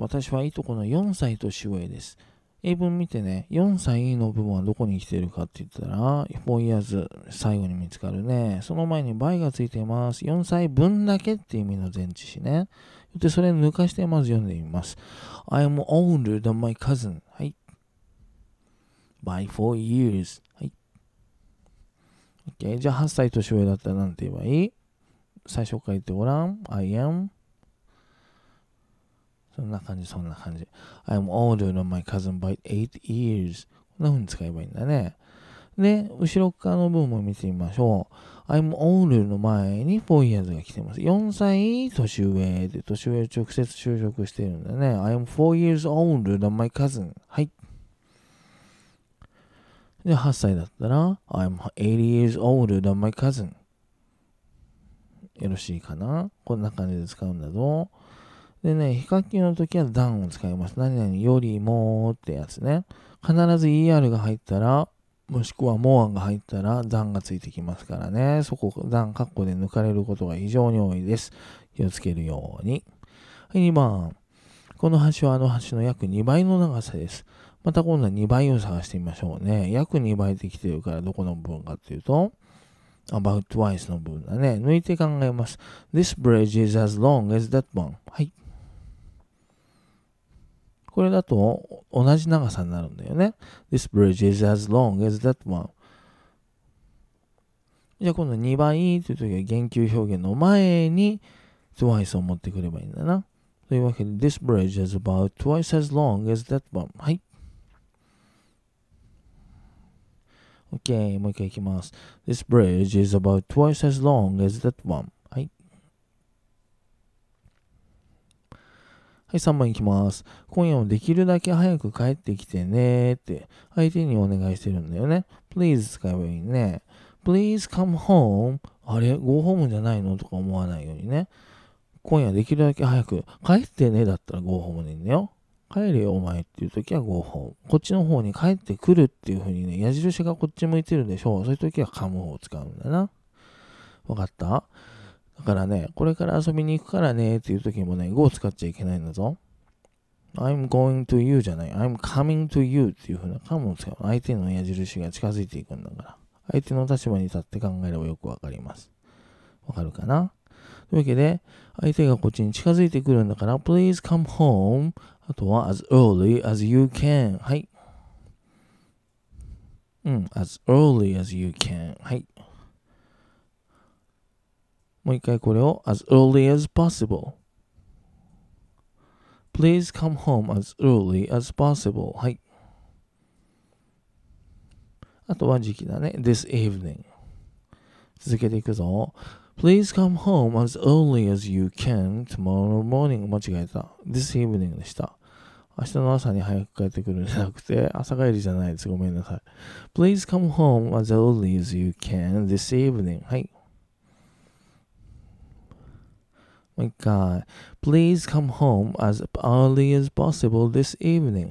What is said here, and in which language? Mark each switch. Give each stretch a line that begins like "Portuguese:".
Japanese: 私はいとこの4歳年上です。英文見てね、4歳の部分はどこに来てるかって言ったら4 years 最後に見つかるね。その前に by がついてます。4歳分だけって意味の前置詞ね。で、それ抜かしてまず読んでみます。
English: I am older than my cousin、 はい、 by 4 years、 はい、 OK。
Japanese: じゃあ8歳年上だったらなんて言えばいい？最初から言ってごらん。
English: I am、
Japanese: そんな感じ、そんな感じ。
English: I am older than my cousin by 8 years。
Japanese: こんな風に使えばいいんだね。で、後ろ側の部分も見てみましょう。 I'm older の前に4 years が来てます。4歳年上で、年上を直接就職してるんだね。
English: I am 4 years older than my cousin。 はい。
Japanese: で、8歳だったら
English: I'm 80 years older than my cousin。
Japanese: よろしいかな。こんな感じで使うんだぞ。でね、比較級の時は than を使います。何々よりもってやつね。必ず er が入ったら、もしくはもうが入ったら段がついてきますからね。そこ段括弧で抜かれることが非常に多いです。気をつけるように。はい、2番。この橋はあの橋の約2倍の長さです。また今度は2倍を探してみましょうね。約2倍できてるからどこの部分かっていうと、about twice の部分だね。抜いて考えます。
English: This bridge is as long as that one。
Japanese: はい。これだと同じ長さになるんだよね。
English: This bridge is as long as that one。
Japanese: じゃあ今度2倍という時は言及表現の前に twice を持ってくればいいんだな。というわけで
English: This bridge is about twice as long as that one。
Japanese: はい、 OK。もう一回いきます。
English: This bridge is about twice as long as that one。
Japanese: はい、3番いきます。今夜もできるだけ早く帰ってきてねって相手にお願いしてるんだよね。 Please 使えばいいね。
English: Please come home。
Japanese: あれ、go home じゃないの？とか思わないようにね。今夜できるだけ早く帰ってねだったら go home でいいんだよ。帰れよお前っていう時は go home。こっちの方に帰ってくるっていう風にね、矢印がこっち向いてるでしょう。そういう時は come home を使うんだな。わかった？だからね、これから遊びに行くからねっていう時もね、go 使っちゃいけないんだぞ。
English: I'm going to you
Japanese: じゃない。
English: I'm coming to you
Japanese: っていう風な come を使う。相手の矢印が近づいていくんだから。相手の立場に立って考えればよくわかります。わかるかな？というわけで、相手がこっちに近づいてくるんだから、
English: please come home。あとは、as early as you can。
Japanese: はい。
English: うん、as early as you can。
Japanese: はい。もう一回これを
English: as early as possible。 Please come home as early as possible。
Japanese: はい、あとは時期だね。
English: This evening。
Japanese: 続けていくぞ。
English: Please come home as early as you can tomorrow morning。
Japanese: 間違えた。
English: This evening でした。
Japanese: 明日の朝に早く帰ってくるんじゃなくて、朝帰りじゃないです、ごめんなさい。
English: Please come home as early as you can this evening。
Japanese: はい、もう一回。
English: Please come home as early as possible this evening。